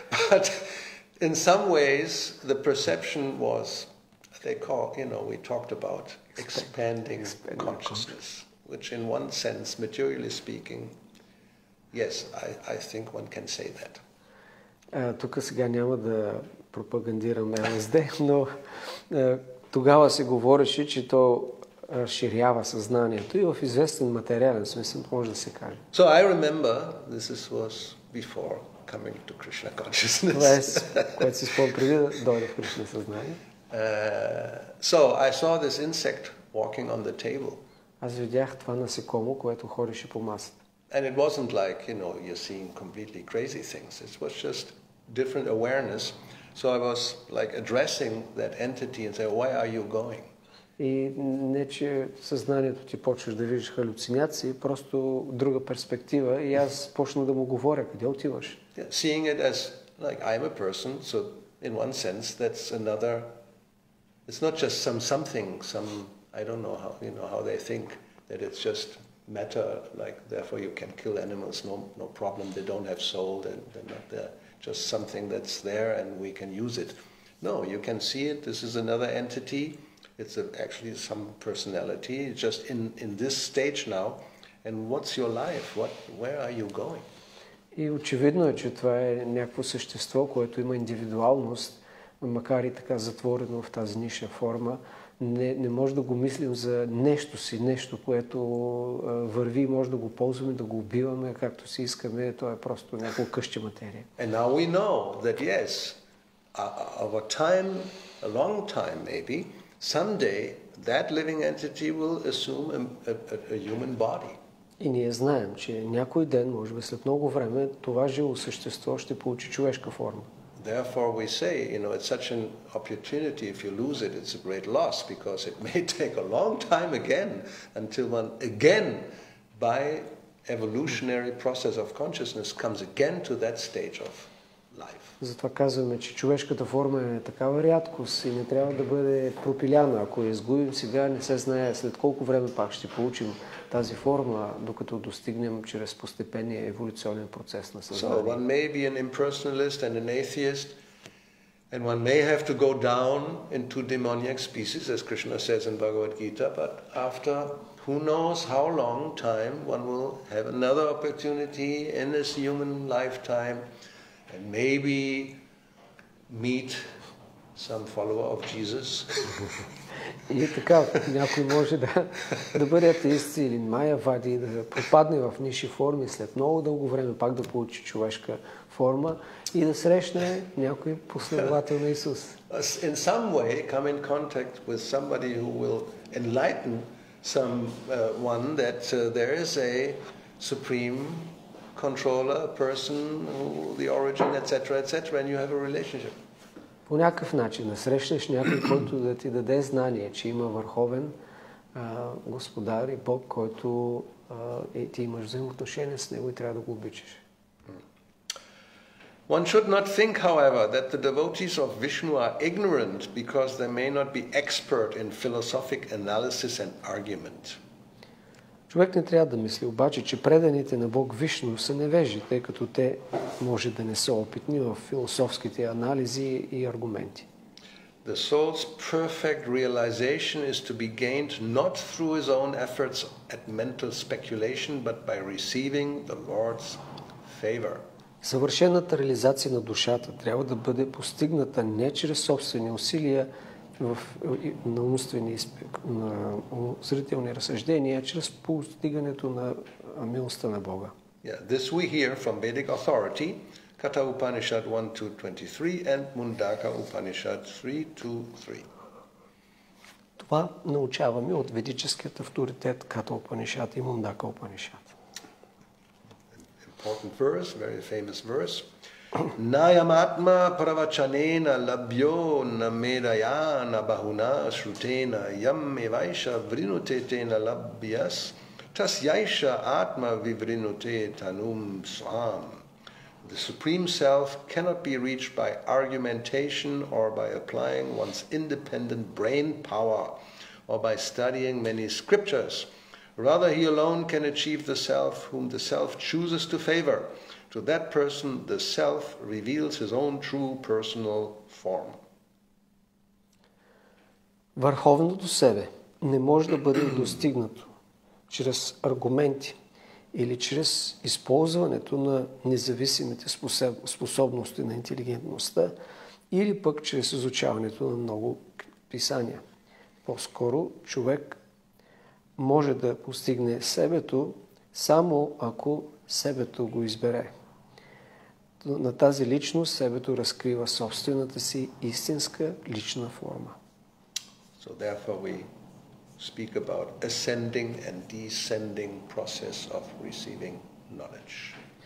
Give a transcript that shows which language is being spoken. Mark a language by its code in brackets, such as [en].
[en] But in some ways, the perception was, they call, you know, we talked about expanding consciousness. Which in one sense, materially speaking, yes, I think one can say that. [bg] Тук сега няма да пропагандирам LSD, но тогава се говореше, че то разширява съзнанието и в известен материален смисъл може да се каже. [en] So I remember this was before coming to Krishna consciousness. [bg] Това е, което си спомням преди да дойде в Кришна съзнание. [en] So I saw this insect walking on the table. [bg] Аз видях това насекомо, което ходеше по масата. [en] And it wasn't like, you know, you're seeing completely crazy things. It was just different awareness. So I was like addressing that entity and say, "Why are you going?" [bg] И не че съзнанието ти почваш да виждаш халюцинации, просто друга перспектива и аз почнах да му говоря, "Къде отиваш?" [en] Yeah, seeing it as like I'm a person, so in one sense that's another, it's not just something I don't know how, you know, how they think that it's just matter, like therefore you can kill animals, no problem, they don't have soul, they're not there, just something that's there and we can use it. No, you can see it, this is another entity, it's actually some personality, it's just in this stage now, And what's your life? Where are you going? [bg] И очевидно е, че това е някакво същество, което има индивидуалност, макар и така затворено в тази ниша форма. Не може да го мислим за нещо си, нещо, което върви, може да го ползваме, да го убиваме, както си искаме. Това е просто някакво къщи материя. [en] And now we know that yes, over time, a long time maybe, someday that living entity will assume a human body. [bg] И ние знаем, че някой ден, може би след много време, това живо същество ще получи човешка форма. [en] Therefore we say, you know, it's such an opportunity, if you lose it, it's a great loss, because it may take a long time again, until one again, by evolutionary process of consciousness, comes again to that stage of life. [bg] Затова казваме, че човешката форма е такава рядкост и не трябва да бъде пропиляна. Ако я изгубим сега, не се знае след колко време пак ще получим тази форма, докато достигнем чрез постепенния еволюционен процес на съзнание. [en] So one may be an impersonalist and an atheist, and one may have to go down into demoniac species, as Krishna says in Bhagavad Gita, but after who knows how long time, one will have another opportunity in this human lifetime, and maybe meet some follower of Jesus. [bg] И така, някой може да бъде атеист или майявади, да пропадне в ниши форми след много дълго време, пак да получи човешка форма и да срещне някой последовател на Исус. [en] In some way come in contact with somebody who will enlighten some one that there is a supreme controller, person, the origin, etc., etc., and you have a relationship. [bg] По някакъв начин насрещнеш някой, който да ти даде знание, че има върховен господар и Бог, който ти имаш взаимоотношение с него и трябва да го обичаш. [en] One should not think, however, that the devotees of Vishnu are ignorant because they may not be expert in philosophic analysis and argument. [bg] Човек не трябва да мисли обаче, че преданите на Бог Вишну са невежи, тъй като те може да не са опитни в философските анализи и аргументи. [en] The soul's perfect realization is to be gained not through his own efforts at mental speculation, but by receiving the Lord's favor. [bg] Съвършената реализация на душата трябва да бъде постигната не чрез собствени усилия, на умствени на зрителни разсъждения чрез постигането на милостта на Бога. [en] Yeah, this we hear from Vedic authority, Katha Upanishad 1.2.23 and Mundaka Upanishad 3.2.3. [bg] Това научаваме от ведическият авторитет Katha Upanishad и Mundaka Upanishad. [en] Important verse, very famous verse. [sa] Nayamatma pravachanena labhyo namedayana bahuna shrutena yamme vaisha vrinutetena labhyas tasyaisha atma vivrinutetanum swam. [en] The Supreme Self cannot be reached by argumentation or by applying one's independent brain power or by studying many scriptures. Rather, he alone can achieve the Self whom the Self chooses to favor. To that person, the self reveals his own true personal form. [bg] Върховното себе не може да бъде достигнато чрез аргументи или чрез използването на независимите способности на интелигентността или пък чрез изучаването на много писания. По-скоро човек може да постигне себето само ако себето го избере. На тази личност себето разкрива собствената си истинска лична форма. [en] So therefore we speak about ascending and descending process of receiving knowledge.